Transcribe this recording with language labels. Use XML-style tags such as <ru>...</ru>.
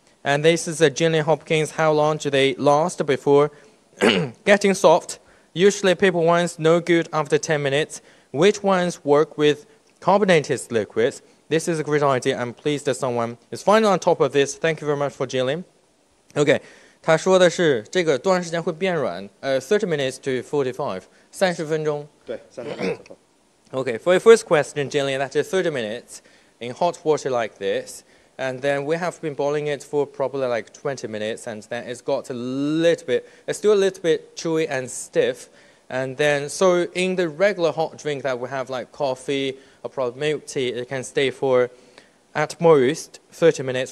<en>And this is a Jillian Hopkins. How long do they last before getting soft? Usually paper ones, no good after 10 minutes. Which ones work with carbonated liquids? This is a great idea. I'm pleased that someone is finally on top of this. Thank you very much for Jillian. Okay,</en> <zh>他说的是这个多长时间会变软？</zh> <en>30 minutes to 45,</en> <zh>30分钟。对，30分钟。</zh> <en>OK, for your first question, generally that's 30 minutes in hot water like this, and then we have been boiling it for probably like 20 minutes, and then it's got a little bit, it's still a little bit chewy and stiff, and then, so in the regular hot drink that we have like coffee or probably milk tea, it can stay for at most 30 minutes.</en>